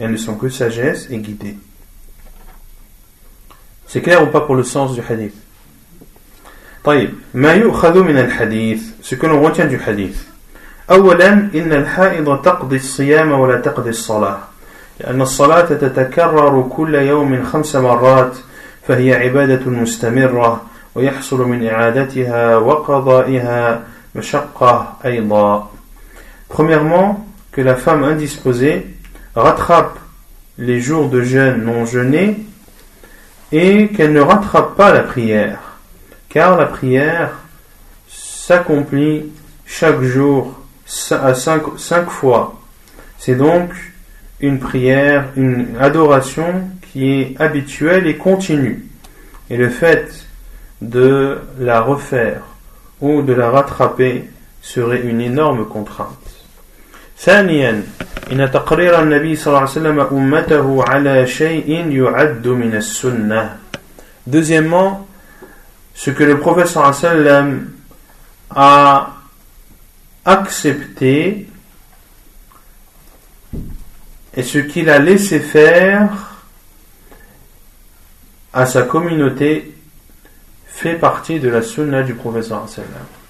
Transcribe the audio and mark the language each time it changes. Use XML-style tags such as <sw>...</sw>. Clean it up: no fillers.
<fr>Elles ne sont que sagesse et guidée. C'est clair ou pas pour le sens du hadith?</fr> <ar>طيب ما يؤخذ من الحديث,</ar> <fr>ce que l'on retient du hadith.</fr> <ar>أولا إن الحائض تقضي الصيام ولا تقضي الصلاة لأن الصلاة تتكرر كل يوم خمس مرات فهي عبادة مستمرة ويحصل من إعادتها وقضائها مشقة أيضا.</ar> <fr>Premièrement, que la femme indisposée rattrape les jours de jeûne non jeûnés et qu'elle ne rattrape pas la prière, car la prière s'accomplit chaque jour à cinq fois. C'est donc une prière, une adoration qui est habituelle et continue. Et le fait de la refaire ou de la rattraper serait une énorme contrainte.</fr> <ar>Thaniyan, إن تقرير النبي صلى الله عليه وسلم أمته على شيء يعد من السنة.</ar> <fr>Deuxièmement, ce que le prophète صلى الله عليه وسلم a accepté et ce qu'il a laissé faire à sa communauté fait partie de la sunna du prophète صلى الله عليه وسلم.</fr>